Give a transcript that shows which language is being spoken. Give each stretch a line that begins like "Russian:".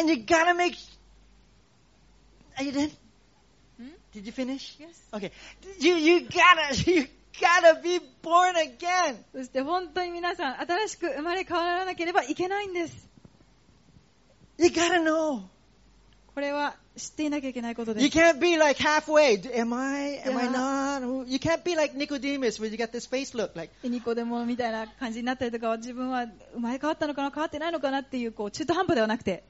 English: And you gotta make. Are you done? Did you finish? Yes. Okay. You gotta be born again.
Japanese: そして本当に皆さん新しく生まれ変わらなければいけないんです。
English: You gotta know.
Japanese: これは知っていなきゃいけないことです。
English: You can't be like halfway. Am I? Am I not? You can't be like Nicodemus when you get this face look. Like
Japanese: ニコデモみたいな感じになったりとか、自分は生まれ変わったのかな、変わってないのかなっていう、こう中途半端ではなくて。